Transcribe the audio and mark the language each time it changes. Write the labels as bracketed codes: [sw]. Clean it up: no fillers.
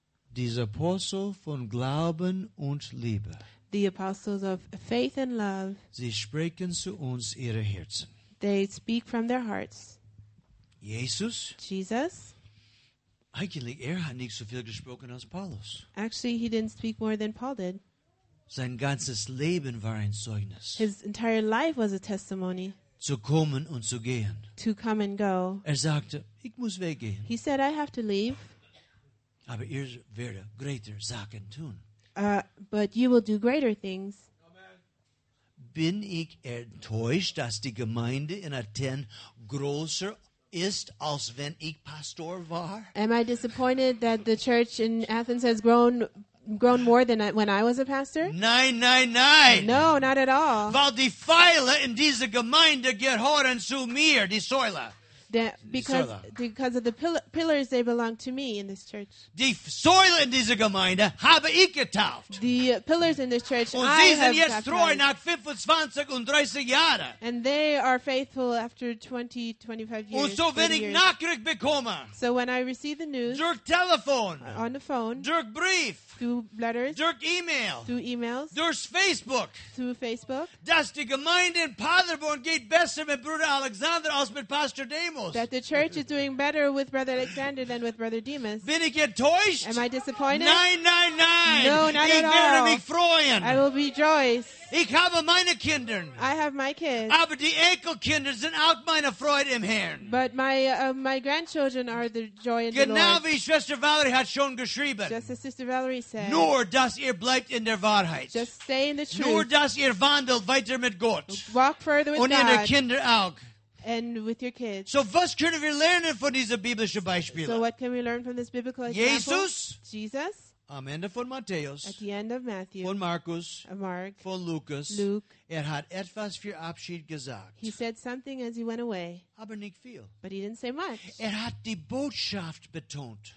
[de] Diese Apostel von Glauben und Liebe. [en] The apostles of faith and love. [de] Sie sprechen zu uns ihre Herzen. [en] They speak from their hearts. [de] Jesus. [en] Jesus. [de] Eigentlich hat nicht so viel gesprochen als Paulus. [en] Actually, he didn't speak more than Paul did. [de] Sein ganzes Leben war ein Zeugnis. [en] His entire life was a testimony. [de] Zu kommen und zu gehen. [en] To come and go. [de] Er sagte, ich muss weggehen. [en] He said, I have to leave. [de] Aber ihr werdet [en] greater [de] Sachen tun. [en] But you will do greater things. [de] Amen. Bin ich enttäuscht, dass die Gemeinde in Athen größer ist, als wenn ich Pastor war? [en] Am I disappointed that the church in Athens has grown more than when I was a pastor? 999. No, not at all. [de] Weil die Pfeile in diese Gemeinde gehören zu mir, die Säule. [en] Because of the pillars, they belong to me in this church. [de] Die Säule in dieser Gemeinde habe ich getauft. [en] The pillars in this church, [de] und [en] I have [de] sie sind jetzt treu nach 25 und 30 Jahren. [en] And they are faithful after 20, 25 years. [de] Und so wenn ich Nachricht bekomme. [en] So when I receive the news. [de] Durch Telefon. [en] On the phone. [de] Durch Brief. [en] Through letters. [de] Durch E-Mail. [en] Through emails. [de] Durch Facebook. [en] Through Facebook. [de] Dass die Gemeinde in Paderborn geht besser mit Bruder Alexander als mit Pastor David. [en] That the church is doing better with Brother Alexander than with Brother Demas. [de] Bin ich enttäuscht? [en] Am I disappointed? 999. No, not [de] ich [en] at all. [de] Werde mich freuen. [en] I will be joyous. [de] Ich habe meine Kinder. [en] I have my kids. [de] Aber die Enkelkinder sind auch meine Freude im Herrn. [en] But my grandchildren are the joy in [de] genau [en] the Lord. [de] Genau wie Schwester Valerie hat schon geschrieben. [en] Just as Sister Valerie said. [de] Nur, dass ihr bleibt in der Wahrheit. [en] Just stay in the truth. [de] Nur, dass ihr wandelt weiter mit Gott. [en] Walk further with [de] Und [en] God. [de] Und ihre Kinder auch. [en] And with your kids. [de] So was können wir lernen von diesem biblischen Beispiel? [en] So what can we learn from this biblical example? [de] Jesus. [en] Jesus. [de] Am Ende von Matthäus. [en] At the end of Matthew. [de] Von Markus. [en] Mark. [de] Von Lukas. [en] Luke. [de] Hat etwas für Abschied gesagt. [en] He said something as he went away. [de] Aber nicht viel. [en] But he didn't say much. [de] Hat die Botschaft betont.